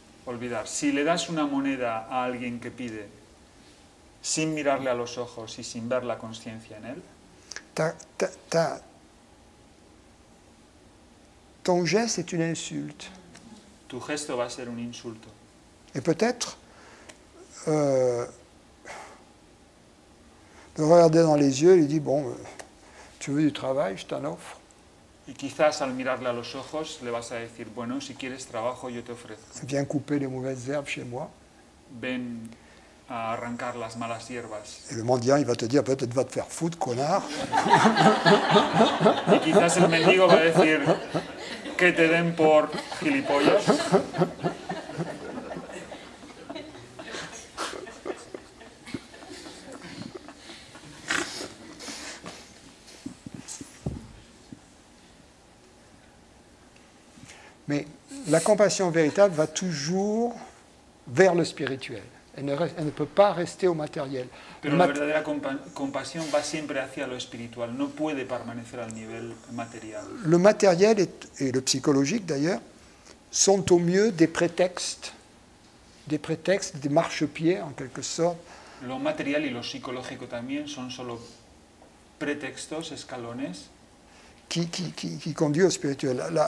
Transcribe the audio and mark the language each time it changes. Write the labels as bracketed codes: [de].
[es] olvidar, si le das una moneda a alguien que pide, sin mirarle a los ojos y sin ver la conciencia en él, [fr] ton geste est une insulte. [es] Tu gesto va a ser un insulto. [fr] Et peut-être le regarder dans les yeux, il dit bon, tu veux du travail, je t'en offre. [es] Y quizás al mirarle a los ojos le vas a decir bueno, si quieres trabajo yo te ofrezco. [fr] Viens couper les mauvaises herbes chez moi. [es] Ven a arrancar las malas hierbas. [fr] Et le mendiant il va te dire peut-être va te faire foutre, connard. [es] Y quizás el mendigo va a decir que te den por gilipollas. [fr] Mais la compassion véritable va toujours vers le spirituel. Elle ne peut pas rester au matériel. [es] Pero la verdadera compasión va siempre hacia lo espiritual, no puede permanecer al nivel material. [fr] Le matériel et le psychologique d'ailleurs sont au mieux des prétextes, des marchepieds en quelque sorte. [es] Lo material y lo psicológico también son solo pretextos, escalones. [fr] Qui conduit au spirituel.